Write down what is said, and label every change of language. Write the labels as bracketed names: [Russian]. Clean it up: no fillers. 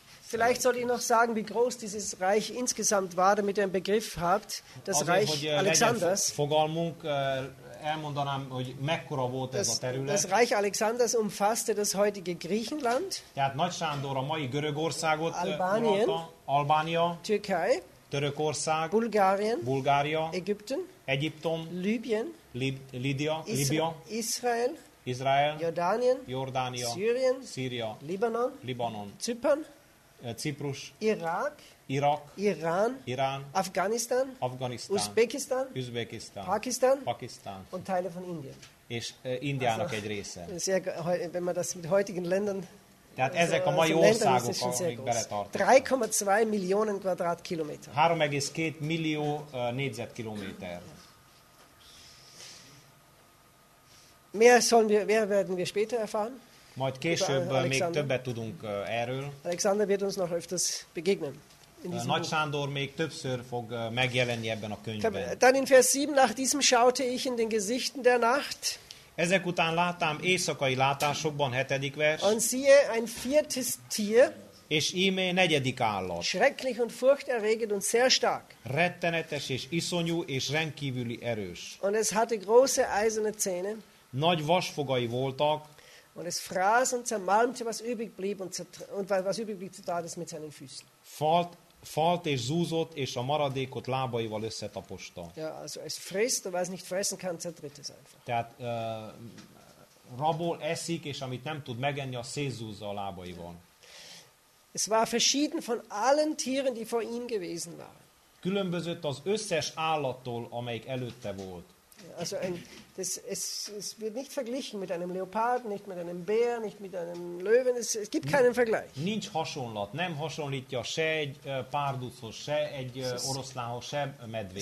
[German] Vielleicht sollte ich noch sagen, wie groß dieses Reich insgesamt war, damit ihr einen Begriff habt, das [Hungarian] azért, [German] Reich Alexanders. [Hungarian] Fogalmunk, elmondanám, hogy mekkora volt ez a terület. [German] Das Reich Alexanders umfasste das heutige Griechenland, [Hungarian] tehát Nagy Sándor a mai Görögországot, [German] Albanien, [Hungarian] Albánia, [German] Türkei, [Hungarian] Törökország, [German] Bulgarien, [Hungarian] Bulgária, [German] Ägypten, [Hungarian] Egyiptom, [German] Libyen, [Hungarian] Libya, [German] Israel, Jordanien, Syrien, Libanon, Zypern, [Hungarian] Ciprus, [German] Irak, Iran, Afghanistan, Usbekistan, Pakistan und Teile von Indien. [Hungarian] És Indiának also, egy része. [German] Wenn man das mit heutigen Ländern, [Hungarian] tehát ezek a mai országok, amik beletartanak. [German] 3,2 millionen Quadratkilometer. [Hungarian] 3,2 millió négyzetkilométer. [German] Mehr werden wir später erfahren. [Hungarian] Majd később még többet tudunk erről. [German] Alexander wird uns noch öfters begegnen. [Hungarian] Nagy Sándor még többször fog megjelenni ebben a könyvben. [German] Dann in Vers 7, nach diesem schaute ich in den Gesichten der Nacht. [Hungarian] Ezek után láttam éjszakai látásokban, hetedik vers. [German] Und siehe, ein viertes Tier. [Hungarian] És íme negyedik állat. [German] Schrecklich und furchterregend und sehr stark. [Hungarian] Rettenetes és iszonyú és rendkívüli erős. [German] Und es hatte große eiserne Zähne. [Hungarian] Nagy vasfogai voltak. [German] Und es fraß und zermalmte, was übrig blieb, tat es mit seinen Füßen. [Hungarian] Falt és zúzott, és a maradékot lábaival összetaposta. [German] Ja, also es frisst, und was nicht fressen kann, zertritt es einfach. [Hungarian] Tehát rabol eszik, és amit nem tud megenni, a szétzúzza a lábaival. [German] Es war verschieden von allen Tieren, die vor ihm gewesen waren. [Hungarian] Különbözött az összes állattól, amelyik előtte volt. [German] Also es wird nicht verglichen mit einem Leoparden, nicht mit einem Bär, nicht mit einem Löwen, es gibt keinen Vergleich. [Hungarian] Nincs hasonlat, nem hasonlítja se egy párduchoz, se egy oroszlánhoz, se medvéhez.